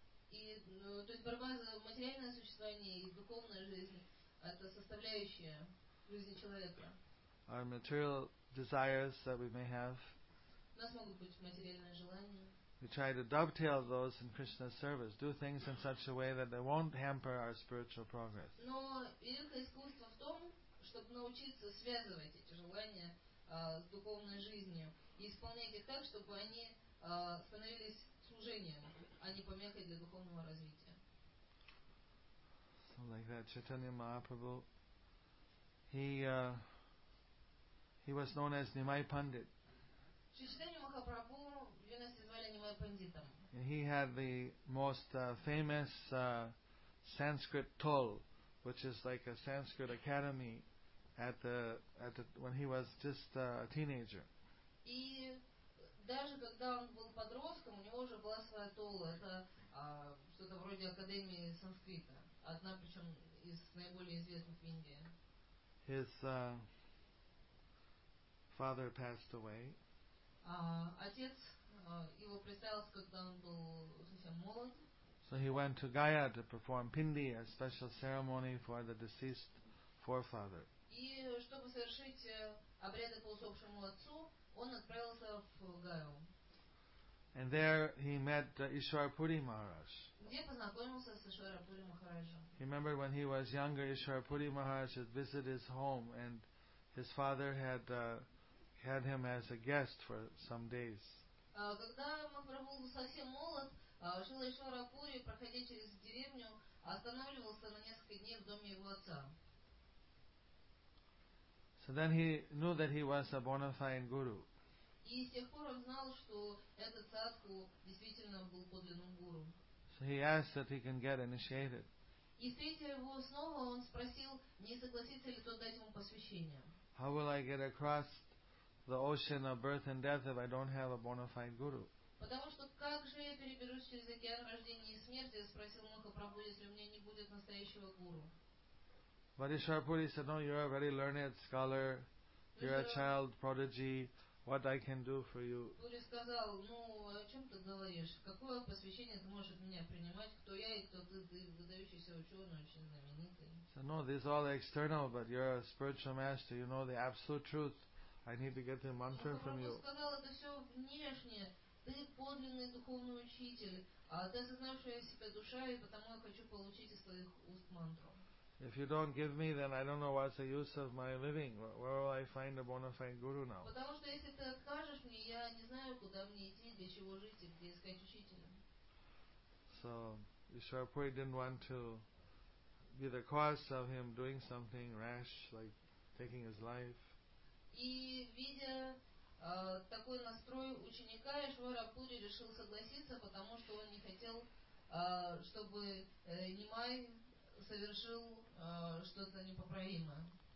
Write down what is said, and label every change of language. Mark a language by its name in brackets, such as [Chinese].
[Russian] То есть борьба за материальное существование и духовную жизнь — это составляющая жизни человека. [English] Our material desires that we may have. [Russian] У нас могут быть материальные желания. [English] We try to dovetail those in Krishna's service, do things in such a way that they won't hamper our spiritual progress. [Russian] Но великое искусство в том, чтобы научиться связывать эти желания с духовной жизнью и исполнять их так, чтобы они становились служением, а не помехой для духовного развития. [English] So like that, Chaitanya Mahaprabhu, he was known as Nimai Pandit. [Russian] Chaitanya Mahaprabhu, в юности звали Nimai Panditam. [English] And he had the most famous Sanskrit Tol, which is like a Sanskrit academy at the when he was just a teenager. [Russian] И даже когда он был подростком, у него уже была своя тола. Это что-то вроде Академии санскрита. Одна, причем, из наиболее известных в Индии. [English] His father passed away. [Russian] Отец его представился, когда он был совсем молод. [English] So he went to Gaya to perform pindi, a special ceremony for the deceased forefather. [Russian] И чтобы совершить обряды по усопшему отцу, он отправился в Гаю. [English] And there he met Ishwarapuri Maharaj. [Russian] Где познакомился с Ишварапури Махараджем. [English] Remember when he was younger, Ishwarapuri Maharaj had visited his home and his father had had him as a guest for some days. [Russian] Когда Махапрабху был совсем молод, жил Ишварапури, проходя через деревню, останавливался на несколько дней в доме его отца. [English] So then he knew that he was a bona fide guru. [Russian] И с тех пор он знал, что этот садху действительно был подлинным гуру. [English] So he asked that he can get initiated. [Russian] И встретив его снова, он спросил, не согласится ли тот дать ему посвящение. [English] How will I get across the ocean of birth and death if I don't have a bona fide guru? [Russian] Потому что как же я переберусь через океан рождения и смерти, спросил Махапрабху, если у меня не будет настоящего гуру. [English] But Ishwarapuri said, no, you're a very learned scholar, you're a child prodigy, what I can do for you. [Russian] Пури сказал, ну о чем ты говоришь? Какое посвящение ты можешь меня принимать? Кто я и кто ты? Ты выдающийся ученый, очень знаменитый. [English] So no, this is all external, but you're a spiritual master. You know the absolute truth. I need to get the mantra from you. [Russian] Пури сказал, это все внешнее. Ты подлинный духовный учитель, а ты осознаешь, что я себя душа, и потому я хочу получить из твоих уст мантру. [English] If you don't give me, then I don't know what's the use of my living. Where will I find a bona fide guru now? [Russian] Потому что если ты откажешь мне, я не знаю, куда мне идти, для чего жить и где искать учителя. [English] So, Ishwarpuri didn't want to be the cause of him doing something rash, like taking his life. [Russian] И видя такой настрой ученика, Ишварапури решил согласиться, потому что он не хотел, чтобы Нимай совершил что-то непоправимое.